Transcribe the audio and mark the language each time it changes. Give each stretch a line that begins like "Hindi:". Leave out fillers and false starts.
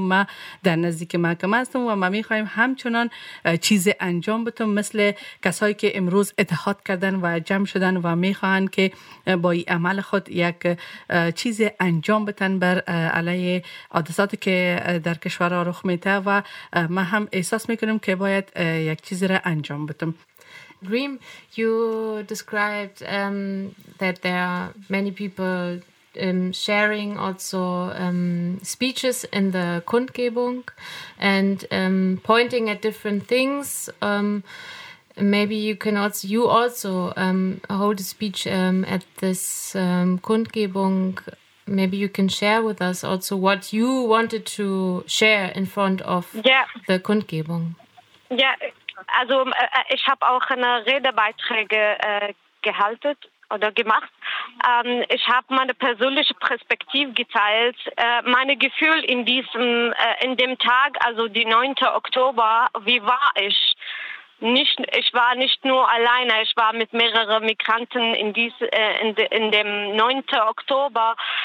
Persian: ما در نزدیک محکمه هستم و ما میخواییم همچنان چیز انجام بتم مثل کسایی که امروز اتحاد کردن و جمع شدن و میخواهند که با این عمل خود یک چیز انجام بتن بر علیه حادثاتی که در کشور رخ میده و ما هم احساس میکنم که باید یک چیز را انجام بدم.
English: Grim, you described that there are many people sharing also speeches in the Kundgebung and pointing at different things. Maybe you also hold a speech at this Kundgebung. Maybe you can share with us also what you wanted to share in front of the Kundgebung. Yeah.
German: Also ich habe auch eine Redebeiträge gehalten oder gemacht. Ich habe meine persönliche Perspektive geteilt. Meine Gefühl in diesem, in dem Tag, also die 9. Oktober, wie war ich? Ich war nicht nur alleine, ich war mit mehreren Migranten in dem 9. Oktober.